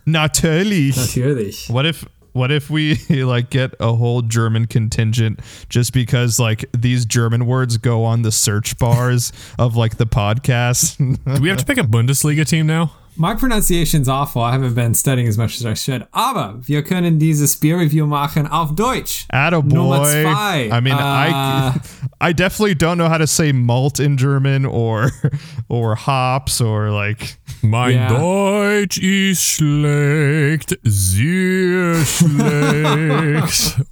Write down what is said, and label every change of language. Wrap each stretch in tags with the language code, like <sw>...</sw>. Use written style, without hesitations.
<de>Natürlich.</de> <en>What if we, like, get a whole German contingent just because, like, these German words go on the search bars of, like, the podcast? Do we have to pick a Bundesliga team now? My pronunciation's awful. I haven't been studying as much as I should.</en> <de>Aber wir können dieses Bierreview machen auf Deutsch.</de> <en>Attaboy. I mean, I definitely don't know how to say malt in German or hops or like...</en> <de>Mein Deutsch ist schlecht, sehr schlecht.</de>